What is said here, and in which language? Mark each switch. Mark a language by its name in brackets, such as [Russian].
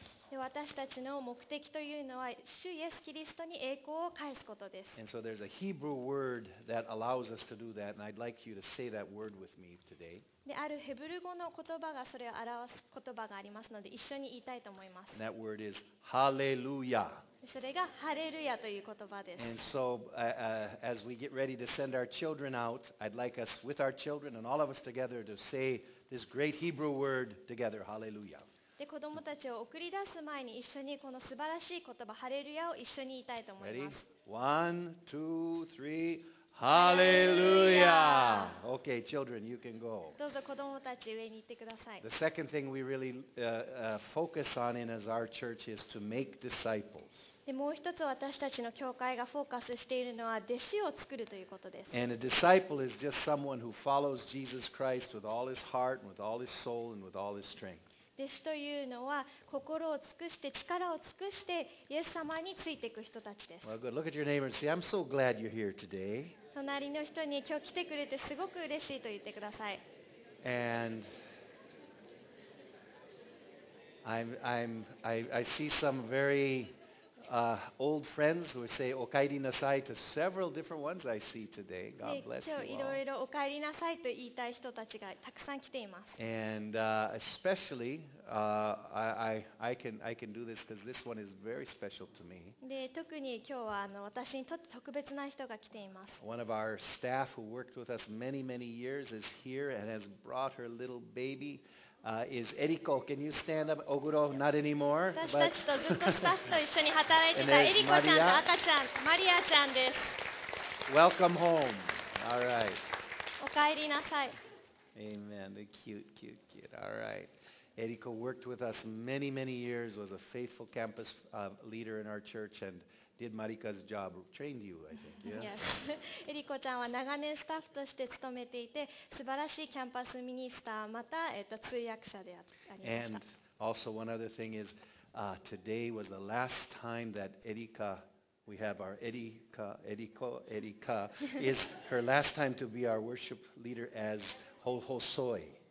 [Japanese] で、私たちの目的というのは、主イエス・キリストに栄光を返すことです。 [English] And so there's a Hebrew word that allows us to do that, and I'd like you to say that word with me today. [Japanese] で、あるヘブル語の言葉がそれを表す言葉がありますので、一緒に言いたいと思います。 [English] That word is hallelujah. [Japanese] それがハレルヤという言葉です。 [English] And so, as we get ready to send our children out, I'd like us, with our children and all of us together, to say this great Hebrew word together, hallelujah. [Japanese] で、子供たちを送り出す前に一緒にこの素晴らしい言葉、ハレルヤを一緒に言いたいと思います。 [English] Ready? One, two, three. Hallelujah! Okay, children, you can go. [Japanese] どうぞ子供たち上に行ってください。 [English] The second thing we really focus on in as our church is to make disciples. [Japanese] で、もう一つ私たちの教会がフォーカスしているのは弟子を作るということです。 [English] And a disciple is just someone who follows Jesus Christ with all his heart and with all his soul and with all his strength. [Japanese] 弟子というのは心を尽くして力を尽くしてイエス様についていく人たちです。 [English] Well, good. Look at your neighbor and say, I'm so glad you're here today. [Japanese] 隣の人に今日来てくれてすごく嬉しいと言ってください。 [English] And I see some very old friends who say, [Japanese] お帰りなさい [English] と several different ones I see today. God bless you all. [Japanese] 今日いろいろお帰りなさいと言いたい人たちがたくさん来ています。 [English] And especially, I can do this because this one is very special to me. [Japanese] で、特に今日は私にとって特別な人が来ています。 [English] One of our staff who worked with us many, many years is here and has brought her little baby. Is Eriko? Can you stand up? Oguro, not anymore. But... [Japanese] 私たちとずっとスタッフと一緒に働いてたエリコちゃんと赤ちゃん、マリアちゃんです。 [English] Welcome home. All right. [Japanese] お帰りなさい。 [English] Amen. The cute, cute, cute. All right. Eriko worked with us many, many years. Was a faithful campus leader in our church and. Did Marika's job trained you? I think. Yeah. Yes. [Japanese] Eriko ちゃんは長年スタッフとして勤めていて、素晴らしいキャンパスミニスター、また通訳者でありました。 [English] And also one other thing is, today was the last time that Erika, we have our Erika, Eriko, Erika is her last time to be our worship leader as Hosoi.